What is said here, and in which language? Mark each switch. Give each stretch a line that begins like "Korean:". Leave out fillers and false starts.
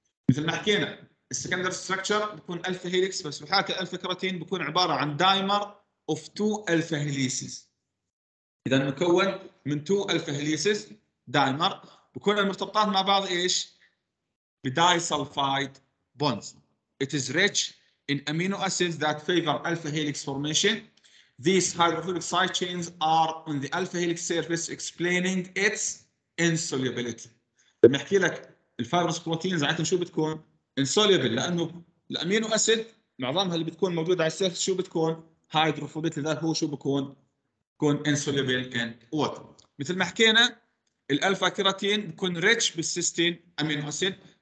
Arabic: مثل ما حكينا السكندر ستراكشر بيكون الفا هيليكس، بس بحاكي الفا كيراتين بيكون عباره عن دايمر اوف تو الفا هيليسز. اذا مكون من تو الفا هيليسز دايمر، بيكون المرتبطات مع بعض ايش؟ بداي سلفايد بونز.
English: It is rich in amino acids that favor alpha helix formation. These hydrophilic side chains are on the alpha helix surface explaining its insolubility.
Arabic: لما احكي لك الفايبرس بروتينز عاده شو بتكون؟ انسوليبل، لانه الامينو اسيد معظمها اللي بتكون موجوده على السيرفس شو بتكون؟ هايدروفوبيك، لذلك هو شو بكون؟ بكون انسوليبل ان ووتر. مثل ما حكينا الالفا كيراتين بكون ريتش بالسيستين امينو اسيد.